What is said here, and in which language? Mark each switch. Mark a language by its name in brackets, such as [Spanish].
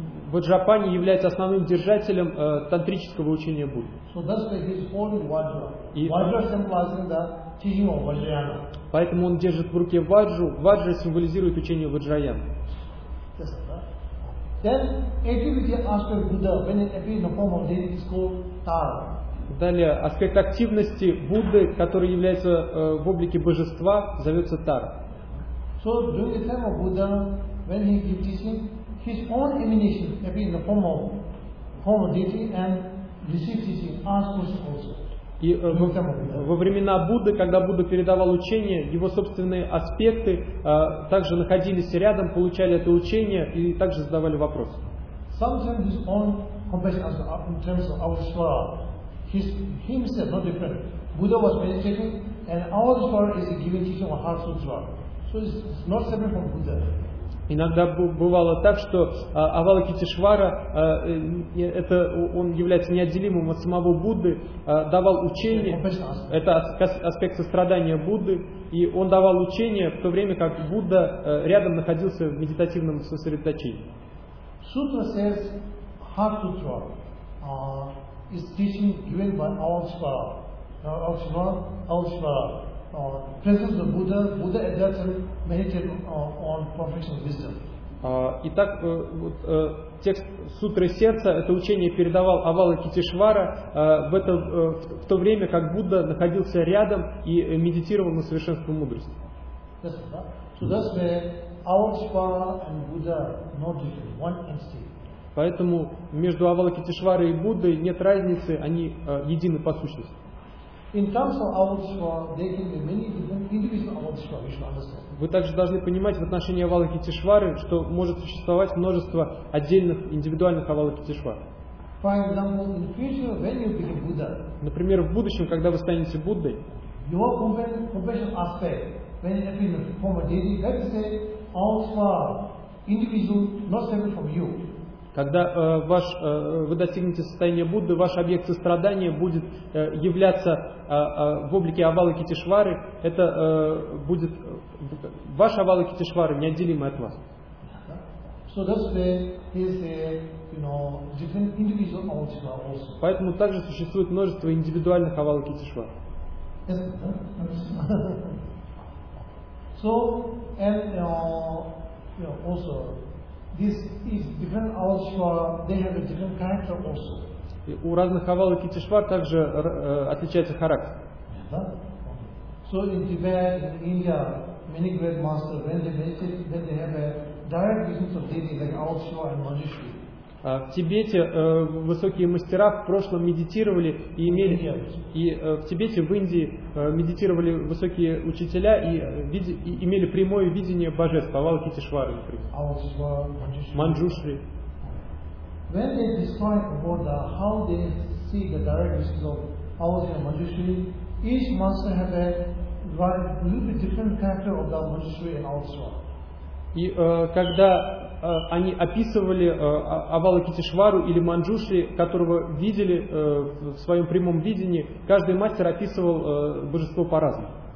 [Russian] Ваджрапани является основным держателем тантрического учения Будды. [English] So that's why he's holding Vajra. Vajra symbolizing the teaching of Vajrayana. [Russian] Поэтому он держит в руке ваджру. Ваджра символизирует учение Vajrayana. [English] Then activity after Buddha, when it appears in the form of deity, is called Tara. [Russian] Далее, аспект активности Будды, который является в облике божества, зовется Тара. [English] So during the time of Buddha, when he gives teaching, his own emanation appears in the form of deity and receives teaching, asks questions also. [Russian] И во времена Будды, когда Будда передавал учение, его собственные аспекты также находились рядом, получали это учение и также задавали вопросы. [English] Sometimes his own compassion in terms of our swara, himself not different. Buddha was meditating, and our swara is giving teaching on heart sutra. So it's not separate from Buddha. [Russian] Иногда бывало так, что Авалокитешвара, это он является неотделимым от самого Будды, давал учение, это аспект сострадания Будды, и он давал учение в то время, как Будда рядом находился в медитативном сосредоточении. [English] Sutra says, heart sutra is teaching given by Avalokiteshvara. Presence of Buddha. Buddha at that time meditated on perfection of wisdom. [Russian] Итак, вот текст сутры сердца, это учение передавал Авалокитешвара в то время, как Будда находился рядом и медитировал на совершенство мудрости. [English] So that's where Avalokiteshvara and Buddha not different, one entity. [Russian] Поэтому между Авалокитешварой и Буддой нет разницы, они едины по сущности. [English] In terms of Avalokiteshvara, there can be many different individual Avalokiteshvara, you should understand. [Russian] Вы также должны понимать в отношении Авалокитешвары, что может существовать множество отдельных индивидуальных Авалокитешвар. [English] For example, in future, when you become Buddha, [Russian] например, в будущем, когда вы станете Буддой, [English] your compassion aspect, when you appear in the form of deity, let me say, Avalokiteshvara, individual, not separate from you. [Russian] Когда вы достигнете состояния Будды, ваш объект сострадания будет являться в облике Авалокитешвары, это будет ваш Авалокитешвара, неотделимый от вас. [English] So that's where is a, you know, different individual Avalokiteshvara also. [Russian] Поэтому также существует множество индивидуальных Авалокитешвар. [English] So and also this is different Avalokiteshvara, they have a different character also. [Russian] У разных Авалокитешвар также отличается характер. [English] So in Tibet, in India, many great masters, when they meditate, then they have a direct visions of deity like Avalokiteshvara and Manjushri. [Russian] В Тибете высокие мастера в прошлом медитировали и имели в Тибете, в Индии медитировали высокие учителя и имели прямое видение божества Авалокитешвары, например. Манджушри. [English] When they describe Buddha, how they see the directions of Avalokiteshvara and Manjushri, each master has a little different character of that Manjushri and Avalokiteshvara. [Russian] И когда они описывали Авалокитешвару или Манджушри, которого видели в своем прямом видении, каждый мастер описывал божество по-разному.